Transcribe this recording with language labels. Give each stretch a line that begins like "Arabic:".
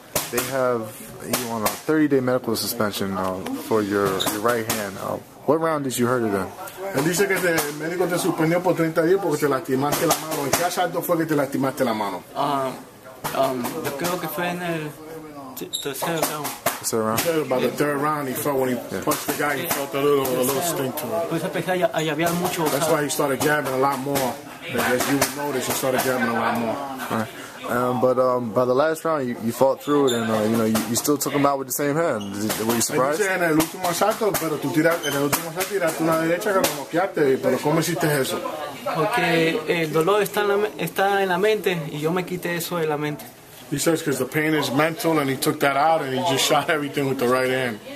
English: They have you on a 30-day medical suspension for your right hand. What round did you hurt it in?
Spanish: Él dice que el médico te suspendió por 30 días porque te lastimaste la mano. ¿En qué asalto fue que te lastimaste la mano? Yo creo que fue en el tercer round. Tercer round?
English: About the third round, he felt when he punched the guy, he felt a little sting to it.
Spanish: Pues empecé a llavear mucho.
English: That's why he started jabbing a lot more. As you noticed, he started jabbing a lot more. By the last round, you fought through it, and you still took him out with the same hand. Were you surprised?
Spanish: En el último asalto, pero tú tiraste en el último asalto tiraste una derecha que lo noqueaste, pero ¿cómo hiciste eso? Porque el dolor está en la mente, y yo me quité eso de la mente.
English: He says because the pain is mental, and he took that out, and he just shot everything with the right hand.